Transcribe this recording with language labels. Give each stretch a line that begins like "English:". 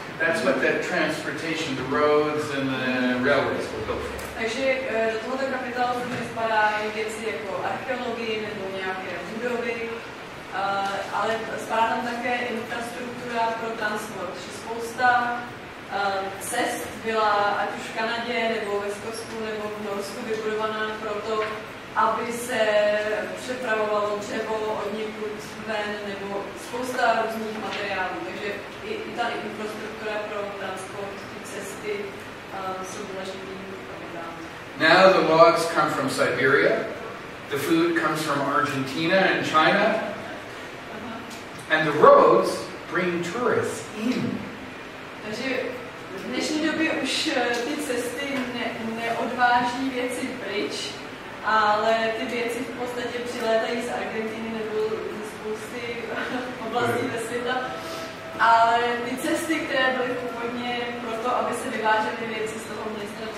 English: That's what that transportation, the roads and the railways were built for.
Czech: Takže do tohoto kapitálu spadá věci jako archeologie nebo nějaké budovy, ale spadá tam také infrastruktura pro transport, že spousta cest byla ať už v Kanadě nebo ve Skotsku nebo v Norsku vybudovaná pro to, aby se přepravovalo dřevo od někud ven nebo spousta různých materiálů, takže i ta infrastruktura pro transport, ty cesty jsou důležitý.
English: Now the logs come from Siberia, the food comes from Argentina and China, and the roads bring tourists in.
Czech: Takže v dnešní době už ty cesty neodváží věci pryč, ale ty věci v podstatě přilétají z Argentiny nebo z spousty oblastí ve světa. Ale ty cesty, které byly původně pro to, aby se vyvážely věci z toho města,